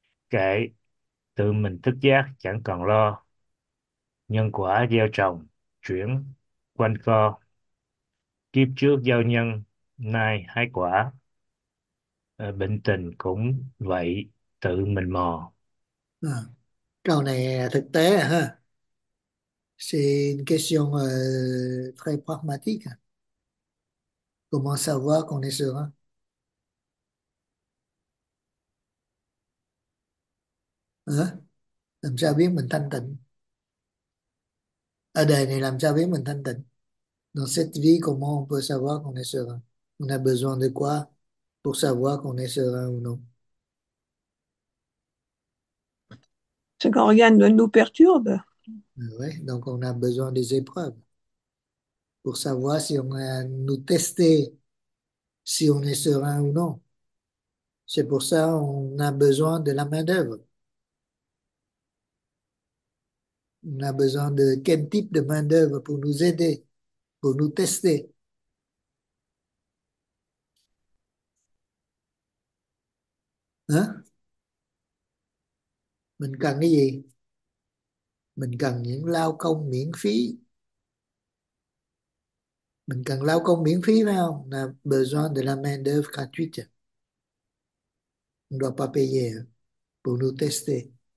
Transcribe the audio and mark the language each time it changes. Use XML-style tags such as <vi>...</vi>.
<vi>Kệ, tự mình thức giác chẳng còn lo. Nhân quả gieo trồng, chuyển quanh co. Kiếp trước gieo nhân, nay hái quả. Bệnh tình cũng vậy, tự mình mò. À, câu này thực tế hả?</vi> <fr>C'est une question très pragmatique. Comment savoir qu'on est serein? Làm sao biết mình thanh tịnh? Ở đời này làm sao biết mình thanh tịnh? Dans cette vie, comment on peut savoir qu'on est serein? On a besoin de quoi pour savoir qu'on est serein ou non? Ce qu'on regarde nous perturbe. Ouais, donc on a besoin des épreuves pour savoir si on a nous tester, si on est serein ou non. C'est pour ça qu'on a besoin de la main-d'œuvre. On a besoin de quel type de main-d'œuvre pour nous aider, pour nous tester. Hein?</fr> <vi>Mình cần cái gì? Mình cần những lao công miễn phí. Mình cần lao công miễn phí phải không?</vi> <fr>Là besoin de la main d'œuvre gratuite. On ne doit pas payer pour nous tester.</fr>